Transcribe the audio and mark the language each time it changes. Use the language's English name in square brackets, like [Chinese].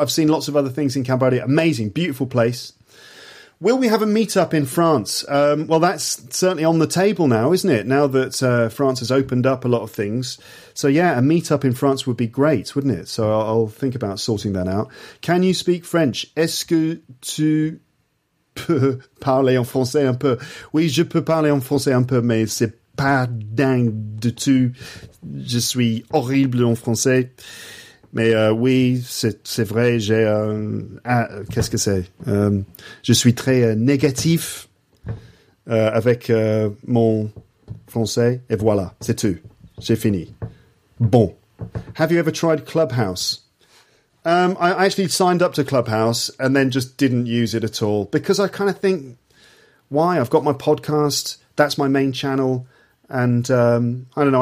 [English] I've seen lots of other things in Cambodia. Amazing, beautiful place. Will we have a meetup in France? Well, that's certainly on the table now, isn't it? Now that France has opened up a lot of things. So yeah, a meetup in France would be great, wouldn't it? So I'll think about sorting that out. Can you speak French? [French] Est-ce que tu... parler en français un peu. Oui, je peux parler en français un peu, mais c'est pas dingue du tout. Je suis horrible en français. Mais oui, c'est vrai, j'ai un... Ah, qu'est-ce que c'est? Je suis très négatif avec mon français. Et voilà, c'est tout. C'est fini. Bon. [English] Have you ever tried Clubhouse? I actually signed up to Clubhouse and then just didn't use it at all because I kind of think, why? I've got my podcast. That's my main channel. And I don't know.